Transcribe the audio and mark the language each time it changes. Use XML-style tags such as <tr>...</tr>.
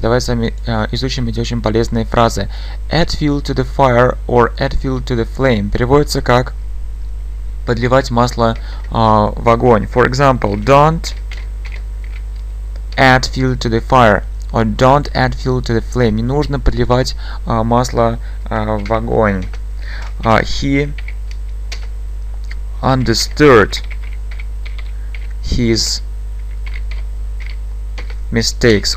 <ru>Давай с вами изучим эти очень полезные фразы.</ru> <en>Add fuel to the fire or add fuel to the flame.</en> <ru>Переводится как подливать масло в огонь.</ru> <en>For example, don't add fuel to the fire or don't add fuel to the flame.</en> <ru>Не нужно подливать масло в огонь.</ru> <en>He understood his mistakes.</en>